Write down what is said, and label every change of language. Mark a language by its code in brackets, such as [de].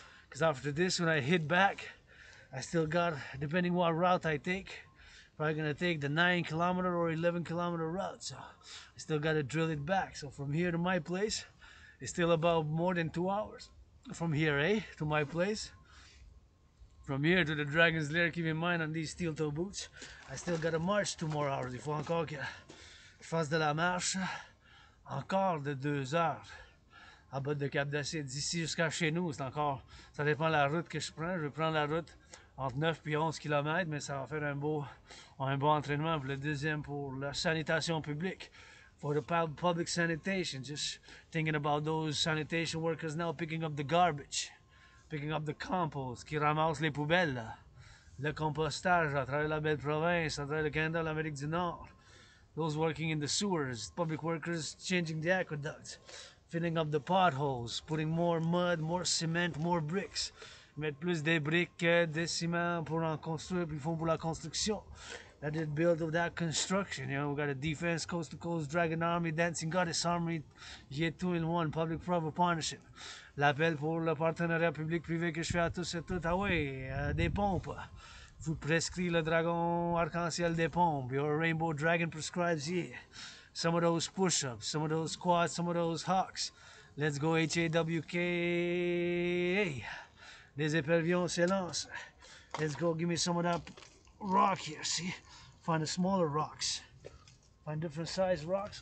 [en] Because after this, when I hit back, I still got, depending what route I take, probably gonna take the 9 kilometer or 11 kilometer route. So I still gotta drill it back. So from here to my place, it's still about more than 2 hours. From here, eh, to my place. From here to the Dragon's Lair, keep in mind on these steel toe boots, I still gotta march 2 more hours. [fr] Il faut encore que je fasse de la marche, encore de 2 heures. À bas de Cap d'Acier, d'ici jusqu'à chez nous, c'est encore, ça dépend de la route que je prends. Je vais prendre la route entre 9 et 11 km, mais ça va faire un beau entraînement pour le deuxième pour la sanitation publique. [en] For the public sanitation, just thinking about those sanitation workers now picking up the garbage, picking up the compost, [fr] qui ramassent les poubelles, le compostage à travers la belle province, à travers le Canada, l'Amérique du Nord, [en] those working in the sewers, public workers changing the aqueducts, filling up the potholes, putting more mud, more cement, more bricks. [fr] Mettre plus des briques que des ciments pour en construire, puis font pour la construction. [en] That is built of that construction, you know. We got a defense, coast to coast, dragon army, dancing goddess army. Yet two in one, public private partnership. [fr] L'appel pour le partenariat public-privé que je fais à tous et toutes. Ah oui, des pompes. Vous prescrivez le dragon arc-en-ciel des pompes. [en] Your rainbow dragon prescribes, yeah. Some of those push-ups, some of those squats, some of those hawks. Let's go H-A-W-K. [fr] Les éperviers, on s'élance. [en] Let's go, give me some of that rock here, see? Find the smaller rocks. Find different size rocks.